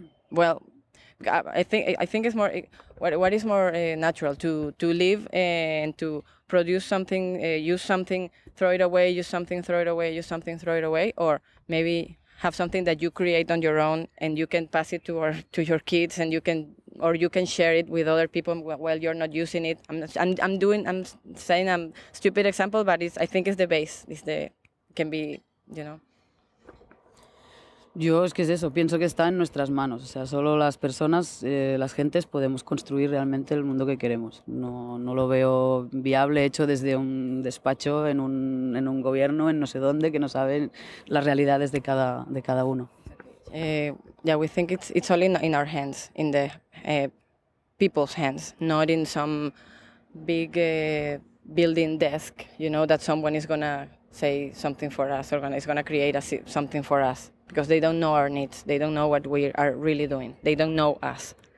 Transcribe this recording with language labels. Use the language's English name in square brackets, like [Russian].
[English] Well, I think it's more, what is more natural, to live and to produce something, use something, throw it away, or maybe have something that you create on your own and you can pass it to your kids, and you can, or you can share it with other people while you're not using it. I'm saying I'm stupid example, but it's, I think it's the base, it's the, can be, you know. [Spanish] Yo, es que es eso, pienso que está en nuestras manos, o sea, solo las personas, las gentes podemos construir realmente el mundo que queremos. No lo veo viable hecho desde un despacho en un gobierno en no sé dónde que no saben las realidades de cada uno. [English] Yeah, we think it's only in our hands, in the people's hands, not in some big building desk, you know, that someone is going to say something for us or is going to create something for us. Because they don't know our needs, they don't know what we are really doing, they don't know us.